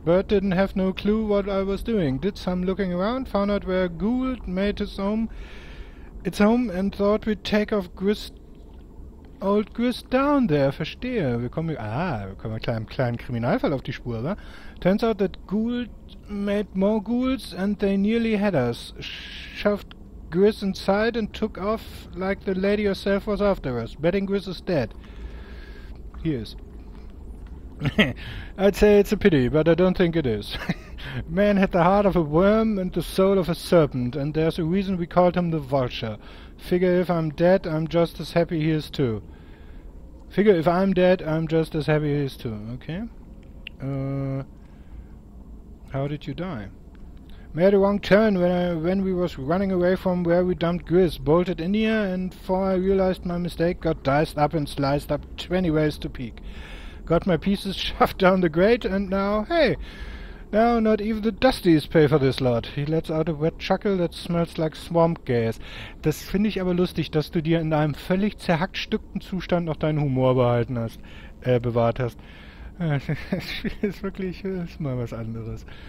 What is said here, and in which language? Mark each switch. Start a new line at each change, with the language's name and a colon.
English: Bert didn't have no clue what I was doing. Did some looking around, found out where Gould made its home, and thought we'd take off old Gris down there.
German: Verstehe. Wir kommen kleinen Kriminalfall auf die Spur, oder?
English: Turns out that Gould made more ghouls, and they nearly had us. Shoved Gris inside and took off like the lady herself was after us. Betting Gris is dead. He is. I'd say it's a pity, but I don't think it is. Man had the heart of a worm and the soul of a serpent, and there's a reason we called him the Vulture. Figure if I'm dead, I'm just as happy he is too. Figure if I'm dead, I'm just as happy he is too. Okay. How did you die? Made a wrong turn when we was running away from where we dumped Gris, bolted in here, and before I realized my mistake, got diced up and sliced up 20 ways to peak. Got my pieces shoved down the grate, and now, hey! Now not even the Dusties pay for this lot. He lets out a wet chuckle that smells like swamp gas.
German: Das finde ich aber lustig, dass du dir in deinem völlig zerhackstückten Zustand noch deinen Humor behalten hast, bewahrt hast. Das Spiel ist wirklich, ist mal was anderes.